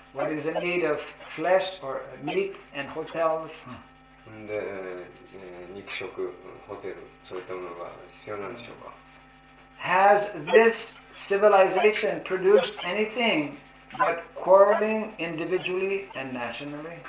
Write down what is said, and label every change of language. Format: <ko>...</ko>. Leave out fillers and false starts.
<en>What is the need of flesh or meat and hotels?</en> <ja>で、肉食、ホテル、そういったものが必要なんでしょうか。</ja> <en>Has this civilization produced anything but quarreling individually and nationally?</en>